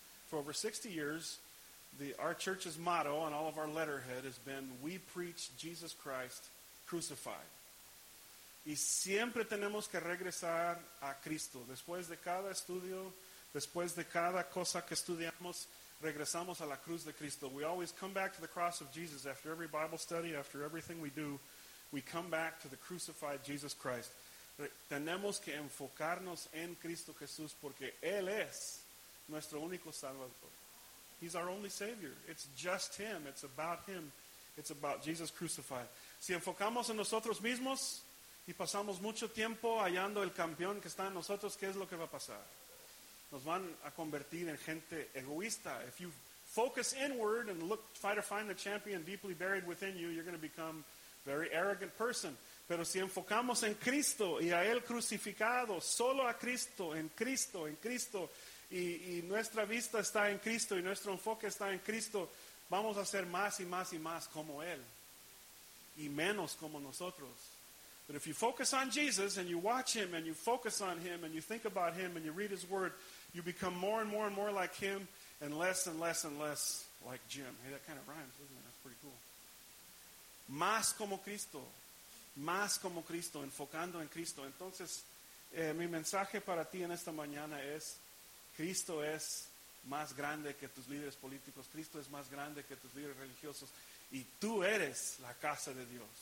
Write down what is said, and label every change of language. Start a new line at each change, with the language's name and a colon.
English: For over 60 years, our church's motto on all of our letterhead has been, we preach Jesus Christ crucified.
Spanish: Y siempre tenemos que regresar a Cristo. Después de cada estudio, después de cada cosa que estudiamos, regresamos a la cruz de Cristo.
English: We always come back to the cross of Jesus. After every Bible study, after everything we do, we come back to the crucified Jesus Christ.
Spanish: Tenemos que enfocarnos en Cristo Jesús porque Él es nuestro único Salvador.
English: He's our only Savior. It's just Him. It's about Him. It's about Jesus crucified.
Spanish: Si enfocamos en nosotros mismos y pasamos mucho tiempo hallando el campeón que está en nosotros, ¿qué es lo que va a pasar? Nos van a convertir en gente egoísta.
English: If you focus inward and look, try to find the champion deeply buried within you, you're going to become a very arrogant person.
Spanish: Pero si enfocamos en Cristo y a Él crucificado, solo a Cristo, en Cristo, en Cristo, y nuestra vista está en Cristo y nuestro enfoque está en Cristo, vamos a ser más y más y más como Él. y menos como nosotros.
English: But if you focus on Jesus and you watch him and you focus on him and you think about him and you read his word, you become more and more and more like him and less and less and less like Jim. Hey, that kind of rhymes, doesn't it? That's pretty cool.
Spanish: Más como Cristo. Más como Cristo. Enfocando en Cristo. Entonces, mi mensaje para ti en esta mañana es, Cristo es más grande que tus líderes políticos. Cristo es más grande que tus líderes religiosos. Y tú eres la casa de Dios.